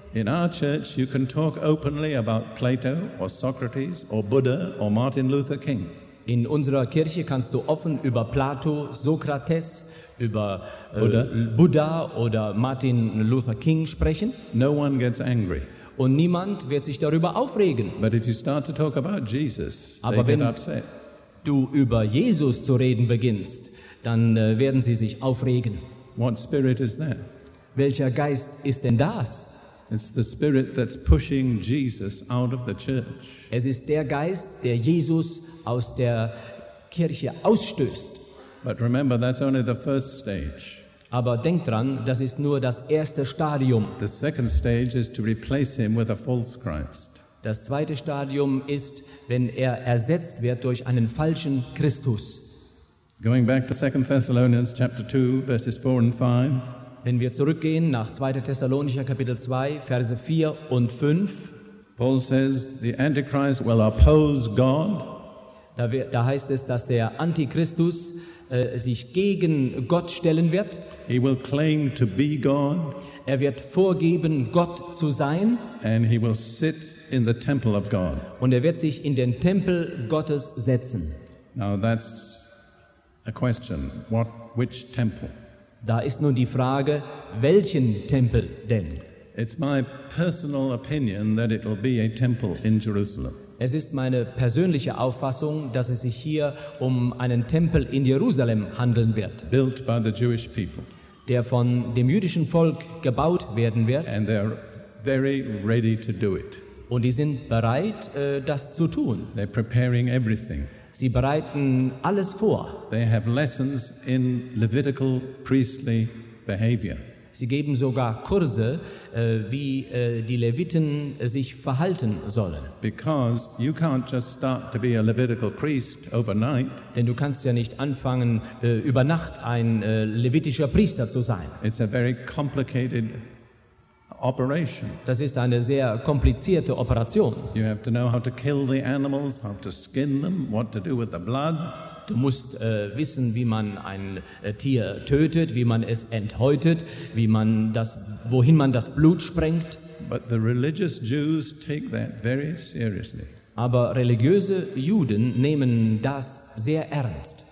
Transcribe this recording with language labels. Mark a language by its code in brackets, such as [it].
[en] In our church you can talk openly about Plato or Socrates or Buddha or Martin Luther King. [de] In unserer Kirche kannst du offen über Plato, Sokrates, über Buddha oder Martin Luther King sprechen. [en] No one gets angry. [de] Und niemand wird sich darüber aufregen. [en] But if you start to talk about Jesus, [de] aber [en] they [de] wenn [en] get upset. [de] Du über Jesus zu reden beginnst, dann werden sie sich aufregen. [en] What spirit is that? [de] Welcher Geist ist denn das? [en] It's the spirit that's pushing Jesus out of the church. [de] Es ist der Geist, der Jesus aus der Kirche ausstößt. [en] But remember, that's only the first stage. [de] Aber denk dran, das ist nur das erste Stadium. [en] The second stage is to replace him with a false Christ. [de] Das zweite Stadium ist, wenn er ersetzt wird durch einen falschen Christus. [en] Going back to 2 Thessalonians chapter 2, verses 4 and 5. [de] Wenn wir zurückgehen nach 2. Thessalonicher Kapitel 2, Verse 4 und 5. [en] Paul says, the Antichrist will oppose God. [de] Da heißt es, dass der Antichristus sich gegen Gott stellen wird. [en] He will claim to be God. [de] Er wird vorgeben, Gott zu sein. [en] And he will sit in the temple of God. [de] Und er wird sich in den Tempel Gottes setzen. [en] Now that's a question. Which temple? [de] Da ist nun die Frage, welchen Tempel denn? [en] It's my personal opinion that it will be a temple in Jerusalem. [de] Es ist meine persönliche Auffassung, dass es sich hier um einen Tempel in Jerusalem handeln wird. [en] Built by the Jewish people. [de] Der von dem jüdischen Volk gebaut werden wird. [en] And they're very ready to do it. [de] Und die sind bereit, das zu tun. [en] They're preparing everything. [de] Sie bereiten alles vor. [en] They have lessons in Levitical priestly behavior. [de] Sie geben sogar Kurse, wie die Leviten sich verhalten sollen. [en] Because you can't just start to be a Levitical priest overnight. [de] Denn du kannst ja nicht anfangen, über Nacht ein levitischer Priester zu sein. [en] It's a very complicated operation. [de] Das ist eine sehr komplizierte Operation. [en] You have to know how to kill the animals, how to skin them, what to do with the blood. [de] Du musst wissen, wie man ein Tier tötet, wie man es enthäutet, wohin man das Blut sprengt. [en] But the religious Jews take that very seriously. [de] Aber religiöse Juden nehmen das sehr ernst.